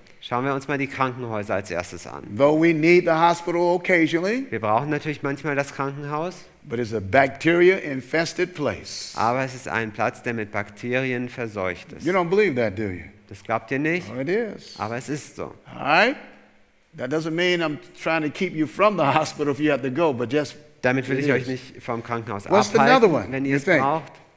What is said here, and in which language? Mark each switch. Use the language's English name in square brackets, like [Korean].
[German] Schauen wir uns mal die Krankenhäuser als erstes an. [English] Though we need the hospital occasionally. [German] Wir brauchen natürlich manchmal das Krankenhaus. [English] But it's a bacteria-infested place. [German] Aber es ist ein Platz, der mit Bakterien verseucht ist. [English] You don't believe that, do you? [German] Das glaubt ihr nicht? [English] Oh, it is. [German] Aber es ist so. [English] All right. That doesn't mean I'm trying to keep you from the hospital if you have to go, but just. [German] Damit will ich euch nicht vom Krankenhaus abhalten, wenn ihr es braucht.